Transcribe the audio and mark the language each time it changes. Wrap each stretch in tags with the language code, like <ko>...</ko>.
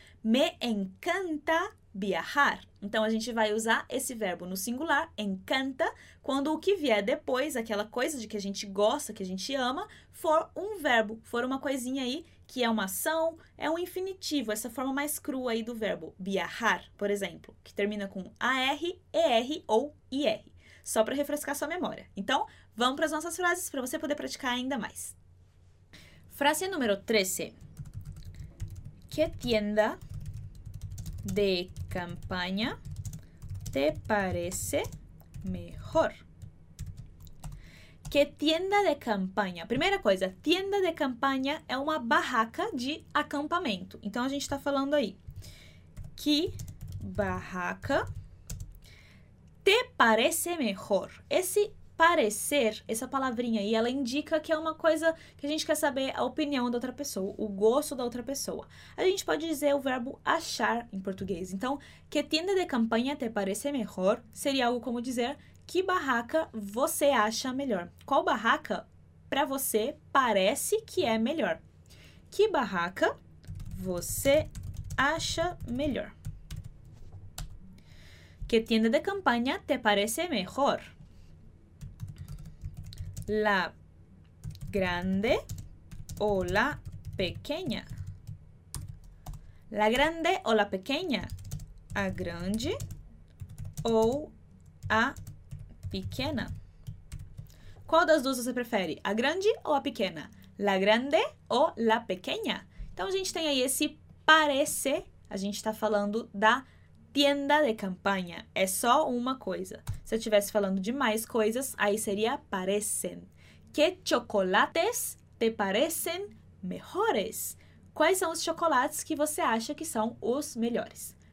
<es>Me encanta viajar.</es> <pt>Então, a gente vai usar esse verbo no singular, encanta, quando o que vier depois, aquela coisa de que a gente gosta, que a gente ama, for um verbo, for uma coisinha aí que é uma ação, é um infinitivo, essa forma mais crua aí do verbo viajar, por exemplo, que termina com AR, ER ou IR, só para refrescar sua memória. Então, vamos para as nossas frases para você poder praticar ainda mais. Frase número 13.</pt> <es>¿Qué tienda de campaña te parece mejor? ¿Qué tienda de campaña?</es> <pt>Primeira coisa, tienda de campaña é uma barraca de acampamento. Então, a gente está falando aí.</pt> <es>¿Qué barraca te parece mejor?</es> <pt>Esse parecer, essa palavrinha aí, ela indica que é uma coisa que a gente quer saber a opinião da outra pessoa, o gosto da outra pessoa. A gente pode dizer o verbo achar em português.</pt> <es>Então, que tienda de campaña te parece mejor?</es> <pt>Seria algo como dizer que barraca você acha melhor. Qual barraca para você parece que é melhor? Que barraca você acha melhor?</pt> <es>Que tienda de campaña te parece mejor? La grande o la pequeña. La grande o la pequeña.</es> <pt>A grande ou a pequena. Qual das duas você prefere? A grande ou a pequena?</pt> <es>La grande o la pequeña.</es> <pt>Então, a gente tem aí esse parece. A gente está falando da tienda de campaña. É só uma coisa. Se eu estivesse falando de mais coisas, aí seria parecen.</pt> <es>¿Qué chocolates te parecen mejores?</es> <pt>Quais são os chocolates que você acha que são os melhores?</pt>